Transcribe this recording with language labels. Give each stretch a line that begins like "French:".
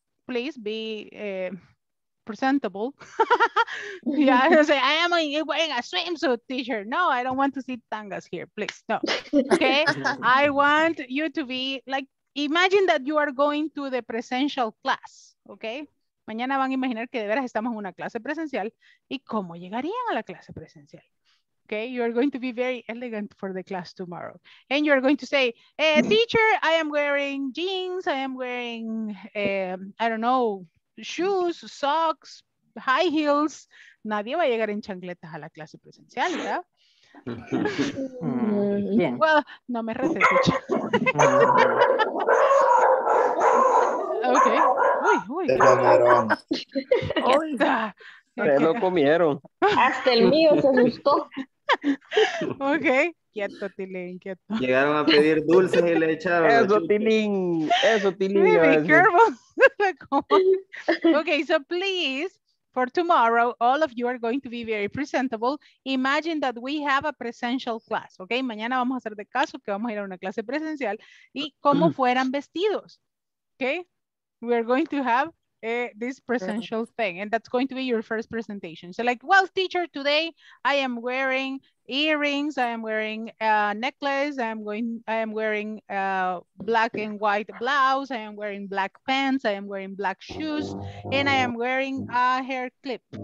English: Please be presentable. Yeah, I say I am wearing a swimsuit, teacher. No, I don't want to see tangas here, please. No, okay. I want you to be like, imagine that you are going to the presential class, okay?
Spanish: Mañana van a imaginar que de veras estamos en una clase presencial y cómo llegarían a la clase presencial, okay?
English: You are going to be very elegant for the class tomorrow. And you are going to say, teacher, I am wearing jeans, I am wearing, I don't know, shoes, socks, high heels.
Spanish: Nadie va a llegar en chancletas a la clase presencial, ¿verdad? Bien. Well, no me reseche. Okay. Uy. El camarón. Se lo comieron. Hasta el mío se asustó. Ok. Quieto, Tilín, quieto. Llegaron a pedir dulces y le echaron. Eso, Tilín. Eso, Tilín.
English: Be careful. Ok, so please, for tomorrow, all of you are going to be very presentable. Imagine that we have a presential class, ok?
Spanish: Mañana vamos a hacer de caso que vamos a ir a una clase presencial. Y cómo fueran vestidos, ok?
English: We are going to have this presential thing, and that's going to be your first presentation. So like, well, teacher, today I am wearing earrings, I am wearing a necklace, I am wearing a black and white blouse, I am wearing black pants, I am wearing black shoes, and I am wearing a hair clip.